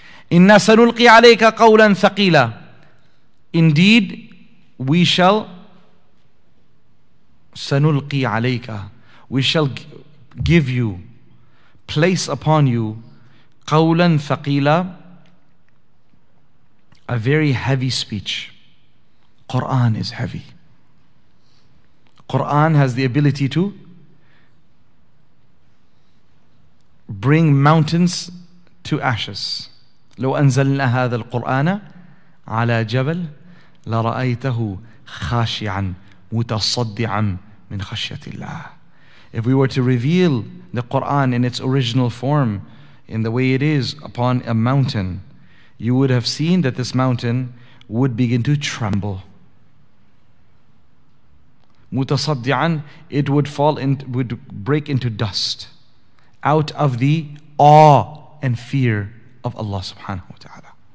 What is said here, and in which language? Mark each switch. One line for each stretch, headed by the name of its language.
Arabic: إِنَّا سَنُلْقِي عَلَيْكَ قَوْلًا ثَقِيلًا,
English: indeed, we shall,
Arabic: سَنُلْقِي عَلَيْكَ,
English: we shall give you, place upon you,
Arabic: قَوْلًا ثَقِيلًا,
English: a very heavy speech. Quran is heavy. Quran has the ability to bring mountains to ashes.
Arabic: لو أنزلنا هذا القرآن على جبل لرأيته خاشعا متصدعا من خشية الله.
English: If we were to reveal the Quran in its original form, in the way it is, upon a mountain, you would have seen that this mountain would begin to tremble. Mutasaddi'an, it would fall in, would break into dust, out of the awe and fear of Allah subhanahu wa ta'ala.